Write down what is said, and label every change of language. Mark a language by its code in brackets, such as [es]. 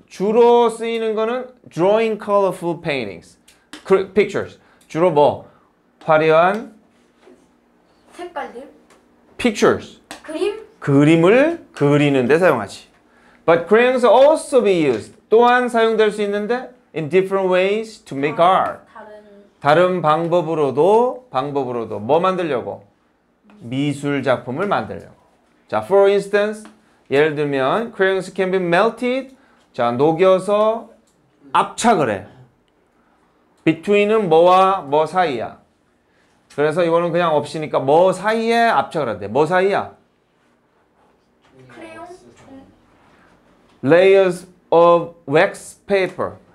[ko] 주로 쓰이는 거는 [en] drawing colorful paintings. Pictures. [ko] 주로 뭐? 화려한? 색깔들? [en] Pictures. [ko] 그림? 그림을 그리는 데 사용하지. [en] But crayons also be used. [ko] 또한 사용될 수 있는데 [en] in different ways to make [ko] 다른 [en] art. [ko] 다른 방법으로도 뭐 만들려고? 미술 작품을 만들려고. [en] 자, for instance, [ko] 예를 들면 [en] crayons can be melted. [ko] 자, 녹여서 압착을 해. between은 뭐와 뭐 사이야. 그래서 이거는 그냥 없으니까 뭐 사이에 압착을 한대. 뭐 사이야? [en] Layers of wax paper.